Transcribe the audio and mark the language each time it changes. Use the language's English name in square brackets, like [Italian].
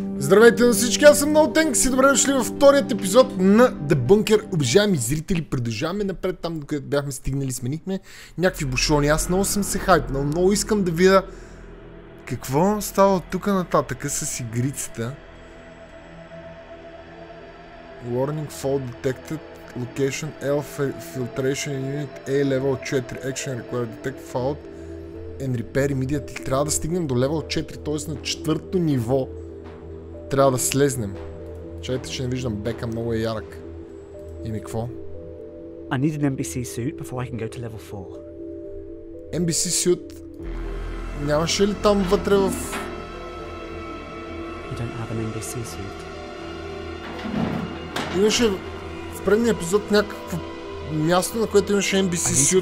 [Bulgarian] Здравейте на всички, аз съм Наутенк, си добре дошли във вторият епизод на The Bunker. Обожаеми зрители, продължаваме напред там, докъдето бяхме стигнали, сменихме някакви бушони. Аз много съм се хайпнал, много искам да видя какво става от тук нататък с игрицата. [English] Warning fall detected, location L filtration unit A level 4, action required, detect fault and repair immediately. [Bulgarian] Трябва да стигнем до level 4, т.е. на четвърто ниво. Трябва да слезнем. Чакайте, че не виждам бека, много е ярък. И ми какво? [English] I need an NBC suit before I can go to level 4. [Bulgarian] NBC suit? Нямаше ли там вътре в... [English] You don't have an NBC suit. [Bulgarian] Имаше в предния епизод някакво място, на което имаше NBC suit.